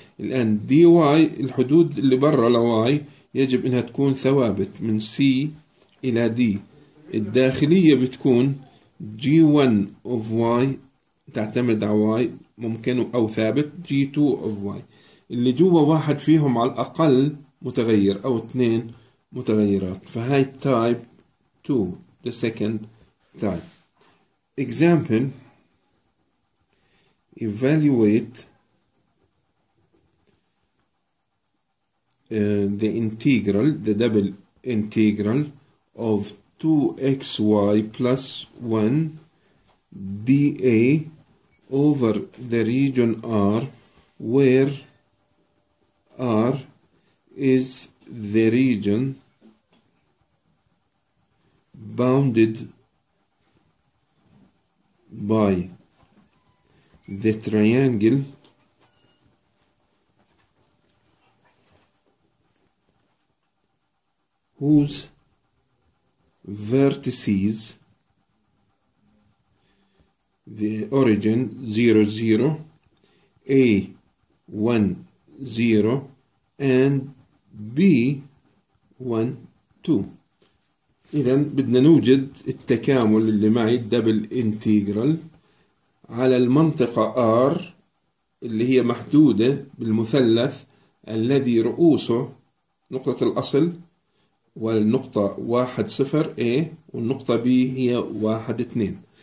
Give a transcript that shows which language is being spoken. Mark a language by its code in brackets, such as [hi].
[ar] الآن dy الحدود اللي برا ly يجب إنها تكون ثوابت من c إلى d، الداخلية بتكون [en] g1 of y [ar] تعتمد على y ممكن أو ثابت [en] g2 of y، [ar] اللي جوا واحد فيهم على الأقل متغير أو اثنين متغيرات، فهاي [en] type 2 the second type. example evaluate the integral the double integral of 2xy plus 1 dA over the region R where R is the region bounded by the triangle whose vertices the origin 0, 0, A 1, 0 and B 1, 2. [ar] إذن بدنا نوجد التكامل اللي معي الدبل انتجرال على المنطقة R اللي هي محدودة بالمثلث الذي رؤوسه نقطة الأصل والنقطة 1, 0 A والنقطة B هي 1, 2.